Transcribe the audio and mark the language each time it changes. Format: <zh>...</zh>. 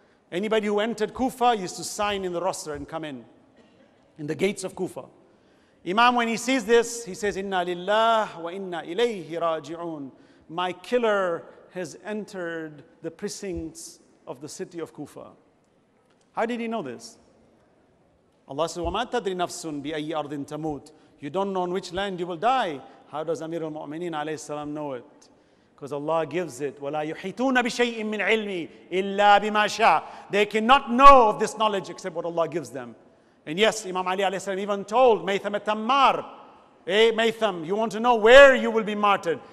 <en>Anybody who entered Kufa used to sign in the roster and come in the gates of Kufa. Imam, when he sees this, he says, Inna lillah wa inna ilayhi raji'un. My killer has entered the precincts of the city of Kufa. How did he know this? Allah says,</en> <ar>وَمَا تَدْرِ نَفْسٌ بِأَيِّ أَرْضٍ تَمُوتٍ.</ar> <en>You don't know on which land you will die. How does Amir al-Mu'mineen alayhi salam know it? Because Allah gives it.</en> <ar>وَلَا يُحِيطُونَ بِشَيْءٍ مِّنْ عِلْمِ إِلَّا بِمَا شَاءَ.</ar> <en>They cannot know of this knowledge except what Allah gives them. And yes, Imam Ali alayhi salam even told Maytham al-Tammar, hey Maytham, you want to know where you will be martyred?</en>